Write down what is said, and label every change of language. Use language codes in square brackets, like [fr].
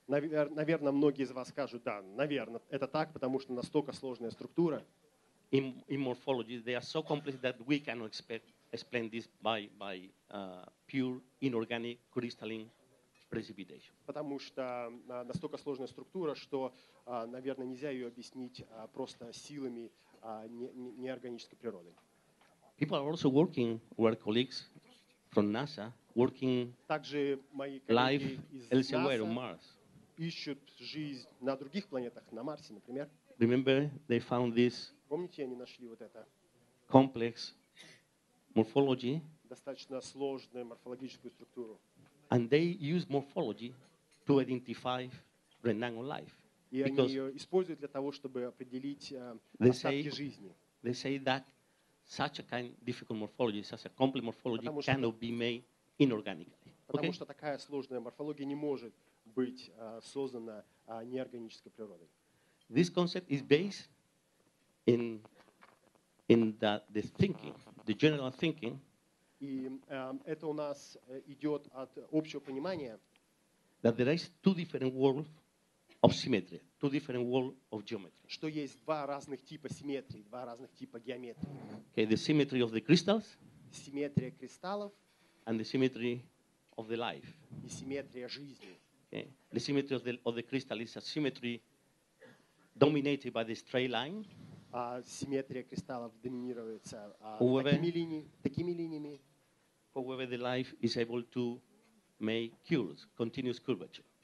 [ru] Наверное, многие из вас скажут, да, наверное, это так, потому что настолько сложная структура. [en] in morphology, they are so complex that we cannot explain this by pure inorganic crystalline precipitation. [ru] Потому что настолько сложная структура, что, наверное, нельзя ее объяснить просто силами неорганической природы. [en] People are also working, our colleagues from NASA, working life elsewhere on Mars. [ru] Ищут жизнь на других планетах, на Марсе, например. [en] Remember, they found this. [ru] Помните, они нашли вот это. [en] Complex morphology. [ru] Достаточно сложную морфологическую структуру. [en] And they use morphology to identify Renangon life. [ru] И они ее используют для того, чтобы определить остатки жизни. [en] They say that such a kind of difficult morphology, such a complex morphology, cannot be made inorganically. [ru] Потому что такая сложная морфология не может быть создана неорганической природой. [en] This concept is based in the thinking, the general thinking. [ru] И это у нас идет от общего понимания. [en] That there is two different worlds of symmetry, two different worlds of geometry. [ru] Что есть два разных типа симметрии, два разных типа геометрии. [en] Okay, the symmetry of the crystals. [ru] Симметрия кристаллов. [en] And the symmetry of the life. [ru] И симметрия жизни. [en] Okay. The symmetry of the crystal is a symmetry dominated by the straight line. [ru] Симметрия кристаллов доминируется такими линиями. [en] However, the life is able to make curves, continuous curvature.